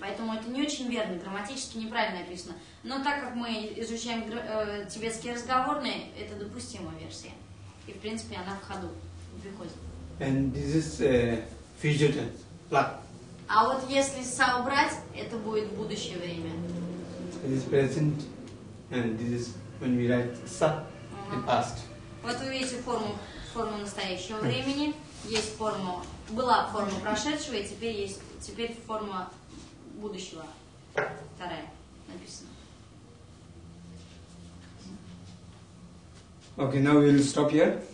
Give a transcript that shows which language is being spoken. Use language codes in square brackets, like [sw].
[ru] Поэтому это не очень верно, грамматически неправильно написано. Но так как мы изучаем тибетские разговорные, это допустимая версия. И, в принципе, она в ходу, выходит. [en] And this is future tense, лак. [ru] А вот если собрать, это будет будущее время. [en] This is present, and this is when we write са, in past. [ru] Вот вы видите форму настоящего времени, есть форма, была форма прошедшего, и теперь форма будущего, вторая написана. [en] Okay, now we'll stop here.